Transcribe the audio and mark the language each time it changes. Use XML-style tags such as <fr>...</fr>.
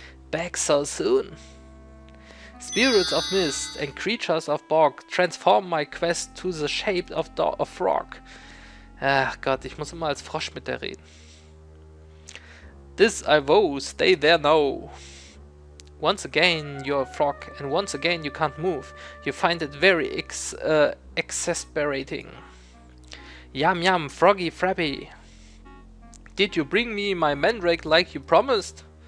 <en>Back so soon. Spirits of mist and creatures of bog transform my quest to the shape of a frog.</en> <de>Ach Gott, ich muss immer als Frosch mit der reden.</de> <en>This I vow, stay there now. Once again you're a frog and once again you can't move. You find it very exasperating. Yum yum, froggy frappy. Did you bring me my mandrake like you promised?</en>